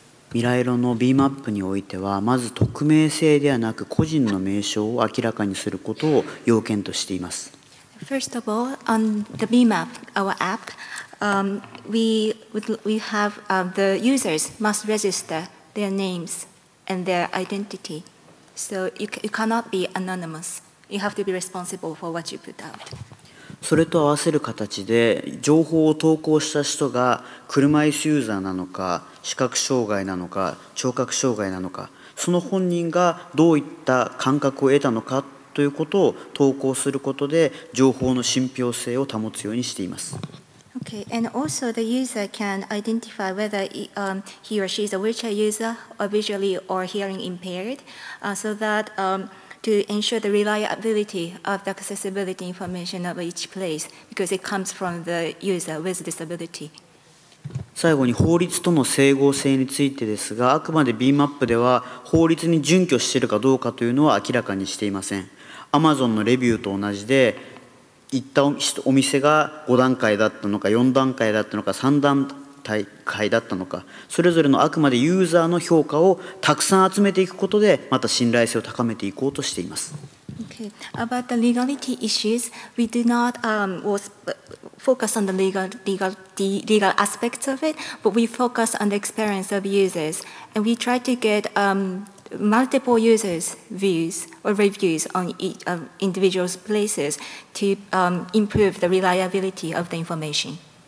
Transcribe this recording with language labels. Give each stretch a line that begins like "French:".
Japanese: 未来色 の B マップにおいては、まず匿名性ではなく個人の名称を明らかにすることを要件としています。
English: First of all, on the B map, our app, we have the users must register their names and their identity. So you cannot be anonymous. You have to be responsible for what you put out.
Japanese: それと合わせる形で情報を投稿した人が車椅子ユーザーなのか視覚障害なのか聴覚障害なのか、その本人がどういった感覚を得たのかということを投稿することで情報の信憑性を保つようにしています。
English: Okay, and also the user can identify whether he or she is a wheelchair user or visually or hearing impaired, so that to ensure the reliability of the accessibility information of each place, because it comes from the user with disability.
Japanese: 最後に法律との整合性についてですが、あくまで BMAP では法律に準拠しているかどうかというのは明らかにしていません。 Amazon のレビューと同じで、行ったお店が5段階だったのか、4段階だったのか、3段階だったのか、それぞれのあくまでユーザーの評価をたくさん集めていくことで、また信頼性を高めていこうとしています。
English: Okay. About the legality issues, we do not focus on the legal aspects of it, but we focus on the experience of users. And we try to get multiple users' views or reviews on each of individuals' places to improve the reliability of the information.